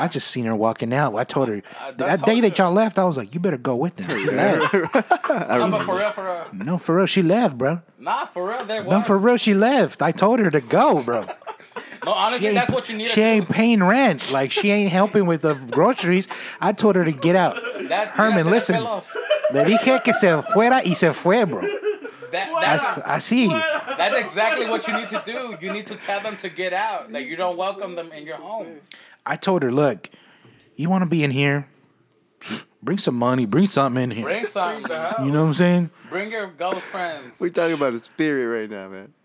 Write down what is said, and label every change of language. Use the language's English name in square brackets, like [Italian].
[English] I just seen her walking out. I told her. That day that y'all left, I was like, you better go with them. She left. No, but for real. No, for real, she left, bro. For real, she left. I told her to go, bro. No, honestly, that's what you need. She ain't paying rent. Like, she ain't helping with the groceries. I told her to get out. That's, Herman, that's listen. [Spanish] Le dije que se fuera y se fue, bro. [English] I see. That's exactly what you need to do. You need to tell them to get out. That you don't welcome them in your home. I told her, look, you want to be in here? Bring some money. Bring something in here. Bring something. You know what I'm saying? Bring your ghost friends. We're talking about a spirit right now, man.